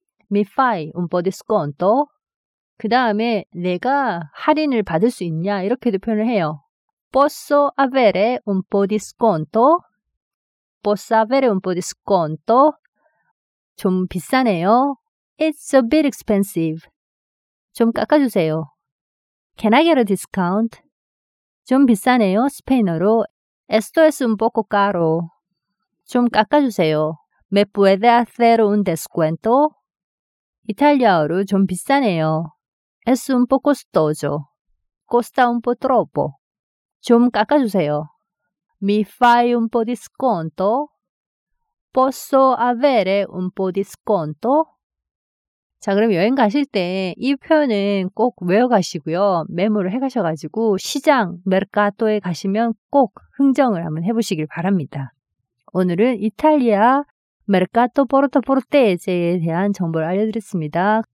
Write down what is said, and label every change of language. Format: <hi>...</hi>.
<it>mi fai un po' di sconto</it> <ko>그 다음에 내가 할인을 받을 수 있냐 이렇게도 표현을 해요.</ko> <it>posso avere un po' di sconto? posso avere un po' di sconto?</it> <ko>좀 비싸네요.</ko> <en>it's a bit expensive.</en> <ko>좀 깎아주세요.</ko> <en>Can I get a discount?</en> <ko>좀 비싸네요. 스페인어로</ko> <es>Esto es un poco caro.</es> <ko>좀 깎아주세요.</ko> <es>Me puede hacer un descuento?</es> <ko>이탈리아어로 좀 비싸네요.</ko> <es>Es un poco costoso.</es> <it>Costa un po' troppo.</it> <ko>좀 깎아주세요.</ko> <it>Mi fai un po' di sconto? Posso avere un po' di sconto?</it> <ko>자, 그럼 여행 가실 때 이 표현은 꼭 외워가시고요. 메모를 해가셔가지고 시장, 메르카토에 가시면 꼭 흥정을 한번 해보시길 바랍니다. 오늘은 이탈리아 메르카토 포르토 포르테제에 대한 정보를 알려드렸습니다.</ko>